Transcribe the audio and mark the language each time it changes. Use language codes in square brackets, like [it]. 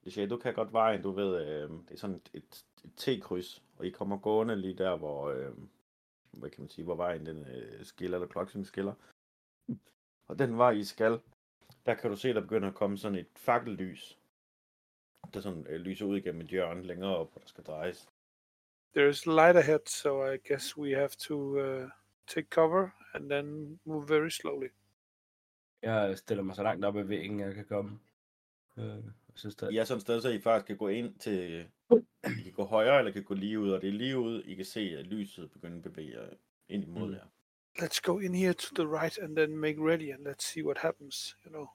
[da] du kan godt vejen, du ved, det er sådan et T-kryds, og I kommer gående lige der, hvor, hvad kan man sige, hvor vejen den skiller, eller klokken skiller. Og den vej, I skal, der kan du se, der begynder at komme sådan et fakkellys, der sådan lyser ud igennem et hjørne længere op, hvor der skal drejes. [en] There's light ahead, so I guess we have to take cover, and then move very slowly. [da] Jeg stiller mig så langt op, at vi ikke kan komme. Ja, sådan et sted, så I faktisk kan gå ind til, I kan gå højere, eller kan gå lige ud, og det er lige ud, I kan se, at lyset begynder at bevæge ind imod jer. [en] Let's go in here to the right, and then make ready, and let's see what happens, you know.